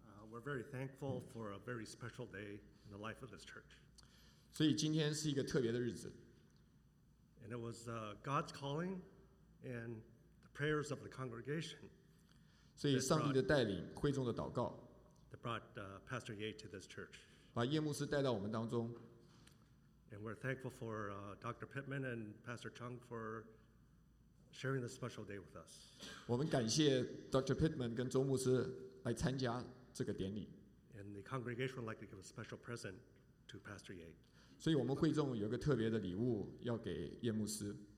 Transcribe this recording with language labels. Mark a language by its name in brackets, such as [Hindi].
[English] We're very thankful for a very special day in the life of this church. [Chinese] 所以今天是一个特别的日子。 [English] And it was God's calling and the prayers of the congregation. [Chinese] 所以上帝的带领，会众的祷告 [English] ，that brought Pastor Ye to this church， [Chinese] 把叶牧师带到我们当中。 [English] And we're thankful for Dr. Pittman and Pastor Chung for sharing this special day with us。 [Chinese] 我们感谢 Dr. Pittman 跟周牧师来参加这个典礼。 [English] And the congregation would like to give a special present to Pastor Ye. [Chinese] 所以我们会众有一个特别的礼物要给叶牧师。